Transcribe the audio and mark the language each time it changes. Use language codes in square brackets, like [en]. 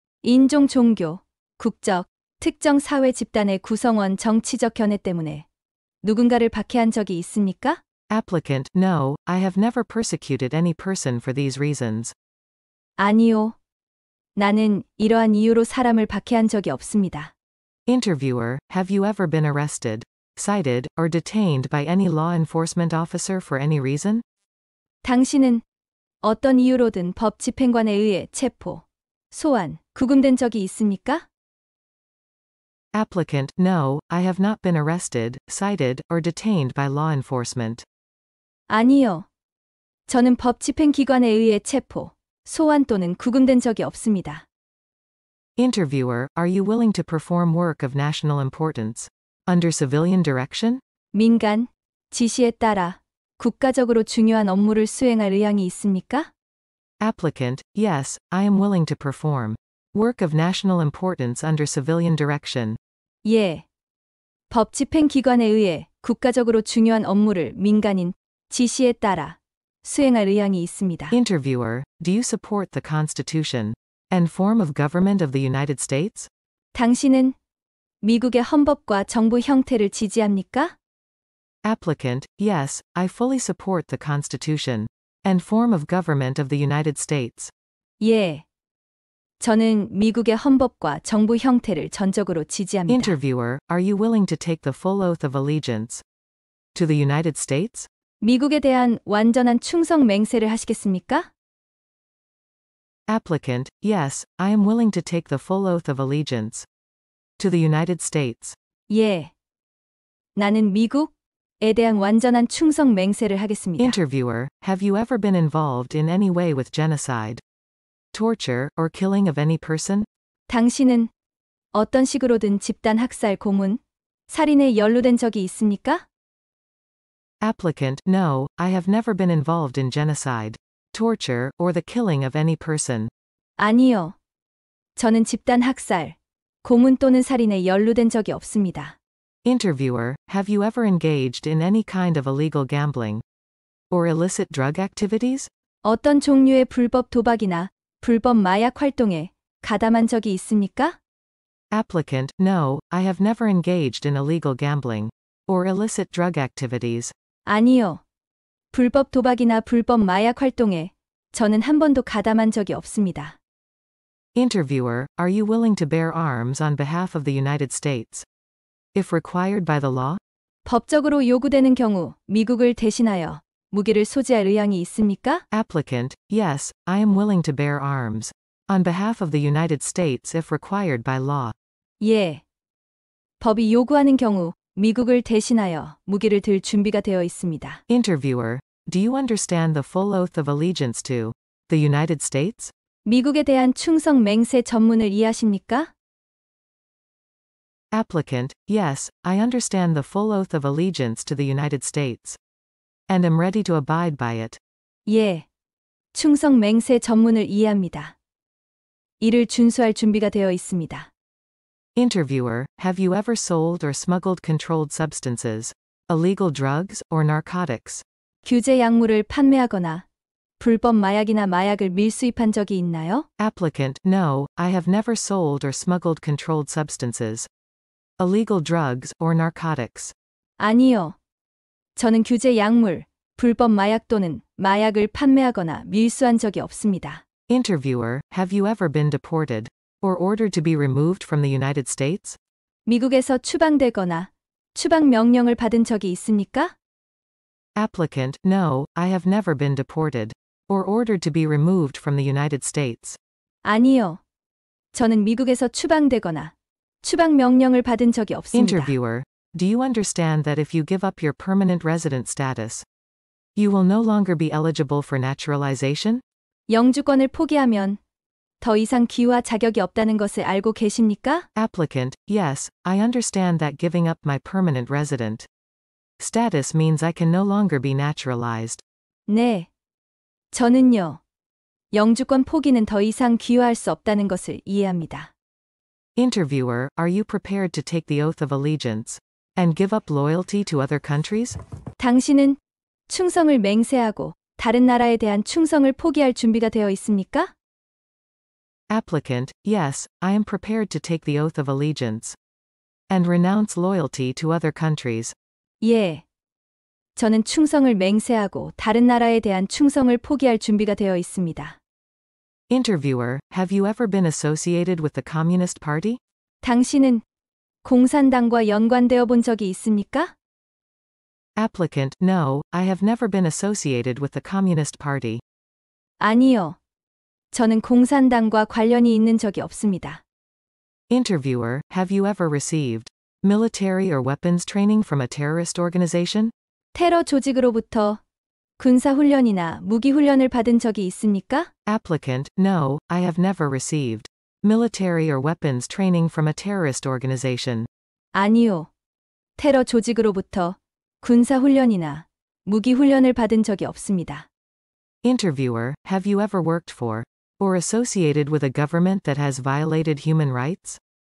[ko] 인종, 종교, 국적, 특정 사회 집단의 구성원 정치적 견해 때문에 누군가를 박해한 적이 있습니까? [en] Applicant, no, I have never persecuted any person for these reasons. [ko] 아니요. 나는 이러한 이유로 사람을 박해한 적이 없습니다. [en] Interviewer, have you ever been arrested, cited, or detained by any law enforcement officer for any reason? [ko] 당신은 어떤 이유로든 법 집행관에 의해 체포, 소환, 구금된 적이 있습니까? [en] Applicant, no, I have not been arrested, cited, or detained by law enforcement. [ko] 아니요. 저는 법 집행기관에 의해 체포, 소환 또는 구금된 적이 없습니다. [en] Interviewer, are you willing to perform work of national importance under civilian direction? [ko] 민간, 지시에 따라 국가적으로 중요한 업무를 수행할 의향이 있습니까? [en] Applicant, yes, I am willing to perform work of national importance under civilian direction. [ko] 예. 법 집행기관에 의해 국가적으로 중요한 업무를 민간인 지시에 따라 수행할 의향이 있습니다. [en] Interviewer, do you support the Constitution and form of government of the United States? [ko] 당신은 미국의 헌법과 정부 형태를 지지합니까? [en] Applicant, yes, I fully support the Constitution and form of government of the United States. [ko] 예. 저는 미국의 헌법과 정부 형태를 전적으로 지지합니다. [en] Interviewer, are you willing to take the full oath of allegiance to the United States? [ko] 미국에 대한 완전한 충성 맹세를 하시겠습니까? [en] Applicant, yes, I am willing to take the full oath of allegiance to the United States. [ko] 예, 나는 미국에 대한 완전한 충성 맹세를 하겠습니다. [en] Interviewer, have you ever been involved in any way with genocide, torture, or killing of any person? [ko] 당신은 어떤 식으로든 집단 학살, 고문, 살인에 연루된 적이 있습니까? [en] Applicant, no, I have never been involved in genocide, torture, or the killing of any person. [ko] 아니요. 저는 집단 학살, 고문 또는 살인에 연루된 적이 없습니다. [en] Interviewer, have you ever engaged in any kind of illegal gambling or illicit drug activities? [ko] 어떤 종류의 불법 도박이나 불법 마약 활동에 가담한 적이 있습니까? [en] Applicant, no, I have never engaged in illegal gambling or illicit drug activities. [ko] 아니요. 불법 도박이나 불법 마약 활동에 저는 한 번도 가담한 적이 없습니다. [en] Interviewer, are you willing to bear arms on behalf of the United States if required by the law? [ko] 법적으로 요구되는 경우 미국을 대신하여 무기를 소지할 의향이 있습니까? [en] Applicant, yes, I am willing to bear arms on behalf of the United States if required by law. [ko] 예. 법이 요구하는 경우 미국을 대신하여 무기를 들 준비가 되어 있습니다. [en] Interviewer, do you understand the full oath of allegiance to the United States? [ko] 미국에 대한 충성 맹세 전문을 이해하십니까? [en] Applicant, yes, I understand the full oath of allegiance to the United States. And am ready to abide by it. [ko] 예, 충성 맹세 전문을 이해합니다. 이를 준수할 준비가 되어 있습니다. [en] Interviewer, have you ever sold or smuggled controlled substances, illegal drugs, or narcotics? [ko] 규제 약물을 판매하거나 불법 마약이나 마약을 밀수입한 적이 있나요? [en] Applicant, no, I have never sold or smuggled controlled substances, illegal drugs, or narcotics. [ko] 아니요. 저는 규제 약물, 불법 마약 또는 마약을 판매하거나 밀수한 적이 없습니다. [en] Interviewer, have you ever been deported or ordered to be removed from the United States? [ko] 미국에서 추방되거나 추방 명령을 받은 적이 있습니까? [en] Applicant, no, I have never been deported or ordered to be removed from the United States. [ko] 아니요. 저는 미국에서 추방되거나 추방 명령을 받은 적이 없습니다. [en] Interviewer, do you understand that if you give up your permanent resident status, you will no longer be eligible for naturalization? [ko] 영주권을 포기하면 더 이상 귀화 자격이 없다는 것을 알고 계십니까? [en] Applicant, yes, I understand that giving up my permanent resident status means I can no longer be naturalized. [ko] 네, 저는요, 영주권 포기는 더 이상 귀화할 수 없다는 것을 이해합니다. [en] Interviewer, are you prepared to take the oath of allegiance and give up loyalty to other countries? [ko] 당신은 충성을 맹세하고 다른 나라에 대한 충성을 포기할 준비가 되어 있습니까? [en] Applicant, yes, I am prepared to take the oath of allegiance and renounce loyalty to other countries. [ko] 예, 저는 충성을 맹세하고 다른 나라에 대한 충성을 포기할 준비가 되어 있습니다. [en] Interviewer, have you ever been associated with the Communist Party? [ko] 당신은 공산당과 연관되어 본 적이 있습니까? [en] Applicant, no, I have never been associated with the Communist Party. [ko] 아니요, 저는 공산당과 관련이 있는 적이 없습니다. [en] Interviewer, have you ever received military or weapons training from a terrorist organization? [ko] 테러 조직으로부터 군사 훈련이나 무기 훈련을 받은 적이 있습니까? [en] Applicant, no, I have never received military or weapons training from a terrorist organization. [ko] 아니요, 테러 조직으로부터 군사 훈련이나 무기 훈련을 받은 적이 없습니다. [en] Interviewer, have you ever worked for or associated with a government that has violated human rights?